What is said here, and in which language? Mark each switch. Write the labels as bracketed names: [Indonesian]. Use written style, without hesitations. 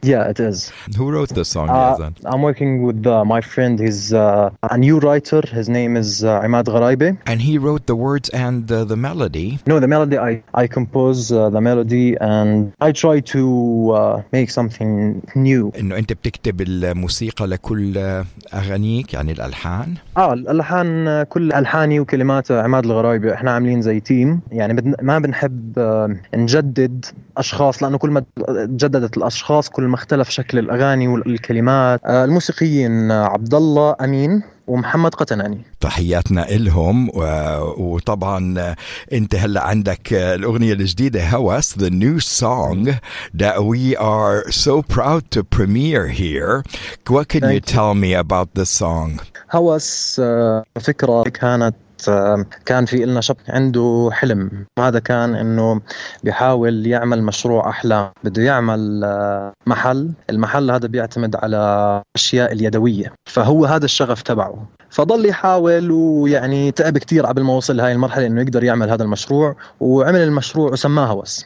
[English] Mm-hmm. Yeah, it is. Who wrote the song, Yazan? I'm working with my friend. He's a new writer. His name is Imad Gharaibi. And he wrote the words and the melody. No, the melody. I compose the melody and I try to make something new. [Arabic] إنه أنت بتكتب الموسيقى لكل أغانيك، يعني الألحان؟ الألحان، كل ألحاني وكلمات عماد الغرايبي. إحنا عاملين زي تيم، يعني ما بنحب نجدد أشخاص، لأنه كل ما تجددت الأشخاص كل ما اختلف شكل الأغاني والكلمات. الموسيقيين عبد الله أمين ومحمد قتناني، تحياتنا إلهم. وطبعا أنت هلأ عندك الأغنية الجديدة هوس، [English] the new song that we are so proud to premiere here. What can you tell me about this song? [Arabic] هوس فكرة كانت، كان في إلنا شاب عنده حلم، هذا كان إنه بيحاول يعمل مشروع أحلام، بده يعمل محل. المحل هذا بيعتمد على أشياء اليدوية، فهو هذا الشغف تبعه، فضل يحاول ويعني تعب كتير قبل ما وصل هاي المرحلة إنه يقدر يعمل هذا المشروع، وعمل المشروع وسماه هوس.